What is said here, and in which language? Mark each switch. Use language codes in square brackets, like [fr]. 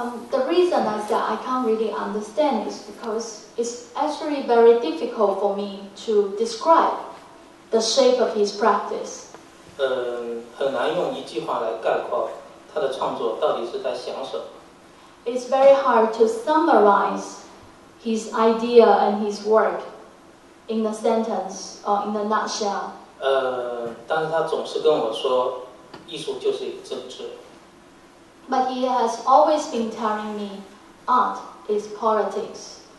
[en] The reason is that I can't really understand is because it's actually very difficult for me to describe the shape of his practice. [zh] 很难用一句话来概括他的创作到底是在想什么。 [en] It's very hard to summarize his idea and his work in a sentence or in a nutshell. [zh] 但是他总是跟我说，艺术就是一个政治。 [en] But he has always been telling me, art is politics.